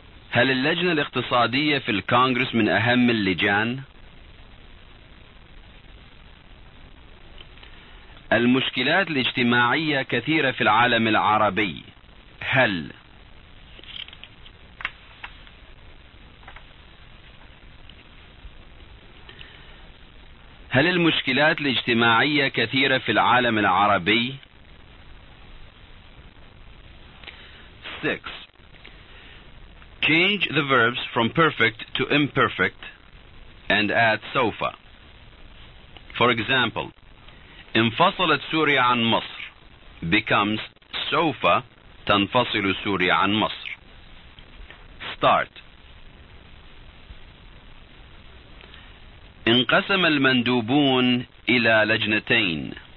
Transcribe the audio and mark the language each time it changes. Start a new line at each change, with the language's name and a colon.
Arabic: هل اللجنة الاقتصادية في الكونغرس من أهم اللجان؟ المشكلات الاجتماعية كثيرة في العالم العربي، هل؟ هل المشكلات الاجتماعية كثيرة في العالم العربي؟ 6.
English: Change the verbs from perfect to imperfect and add sofa. For example,
Arabic: انفصلت سوريا عن مصر
English: becomes
Arabic: سوف تنفصل سوريا عن مصر.
English: Start.
Arabic: انقسم المندوبون إلى لجنتين.